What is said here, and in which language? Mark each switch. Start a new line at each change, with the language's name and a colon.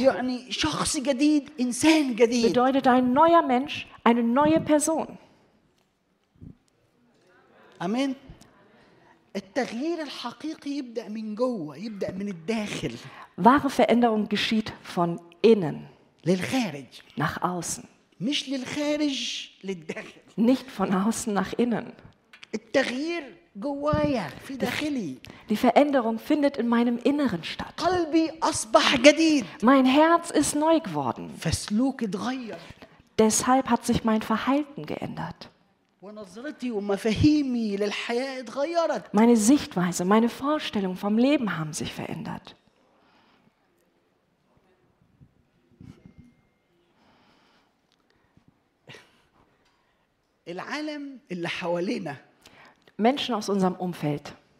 Arabic: يعني شخص جديد, إنسان جديد.
German: Bedeutet ein neuer Mensch, eine neue Person. Amen.
Arabic: التغيير الحقيقي يبدأ من جوه, يبدأ من الداخل.
German: Wahre Veränderung geschieht von innen.
Arabic: للخارج.
German: Nach außen.
Arabic: مش للخارج للداخل.
German: Nicht von außen nach innen.
Arabic: التغيير جوايا في داخلي.
German: Die Veränderung findet in meinem Inneren statt.
Arabic: قلبي أصبح جديد.
German: Mein Herz ist neu geworden.
Arabic: فسلوكي تغير.
German: Deshalb hat sich mein Verhalten geändert.
Arabic: ونظرتي ومفاهيمي للحياة تغيرت.
German: Meine Sichtweise, meine Vorstellung vom Leben haben sich verändert.
Arabic: العالم اللي حوالينا.
German: Menschen aus unserem Umfeld.